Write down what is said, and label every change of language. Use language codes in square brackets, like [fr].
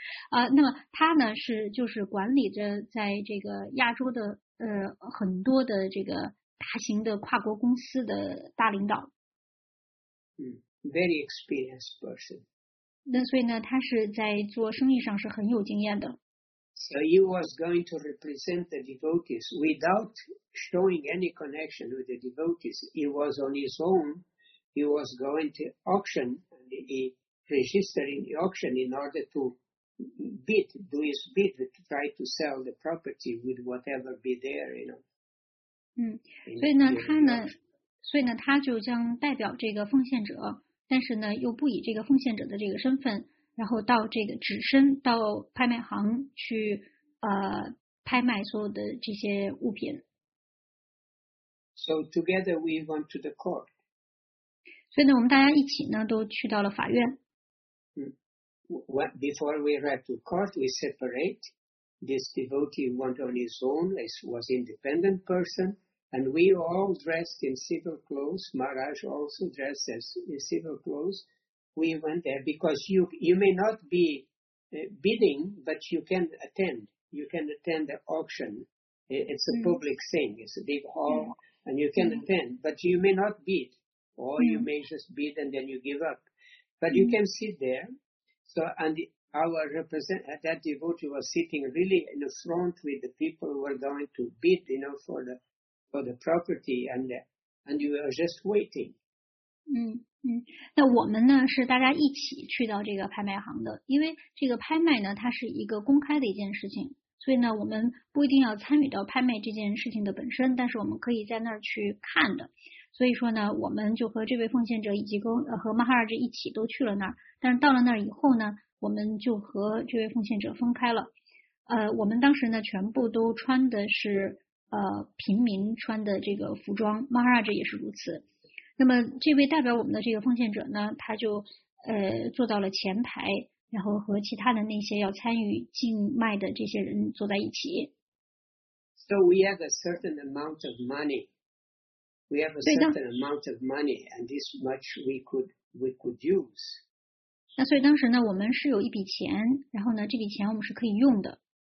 [zh] 那么他呢是就是管理着在这个亚洲的很多的这个大型的跨国公司的大领导。 [en] very experienced person. [zh] 那所以呢，他是在做生意上是很有经验的。 [en] So he was going to represent the devotees without showing any connection with the devotees. He was on his own. He was going to auction. He registered in the auction in order to bid, do his bid to try to sell the property with whatever be there, you know. [zh] 嗯，所以呢，他呢，所以呢，他就将代表这个奉献者，但是呢，又不以这个奉献者的这个身份。然后到这个纸身到拍卖行去拍卖所有的这些物品。 [en] So together we went to the court. [zh] 所以呢我们大家一起呢都去到了法院。 [en] Before we arrived to court, we separate. This devotee went on his own, as was an independent person, and we all dressed in civil clothes. Maharaj also dressed as in civil clothes. We went there because you may not be bidding, but you can attend. You can attend the auction. It's a public thing. It's a big hall, and you can attend. But you may not bid, or you may just bid and then you give up. But you can sit there. So, and our representative, that devotee was sitting really in the front with the people who were going to bid, you know, for the property, and you were just waiting. [zh] 嗯，那我们呢是大家一起去到这个拍卖行的，因为这个拍卖呢它是一个公开的一件事情，所以呢我们不一定要参与到拍卖这件事情的本身，但是我们可以在那儿去看的。所以说呢我们就和这位奉献者以及和马哈拉吉一起都去了那儿，但是到了那儿以后呢我们就和这位奉献者分开了。我们当时呢全部都穿的是平民穿的这个服装，马哈拉吉也是如此。那么这位代表我们的这个奉献者呢，他就坐到了前排，然后和其他的那些要参与竞卖的这些人坐在一起。 [en] So we have a certain amount of money. We have a certain amount of money, and this much we could use. [zh] 那所以当时呢，我们是有一笔钱，然后呢，这笔钱我们是可以用的。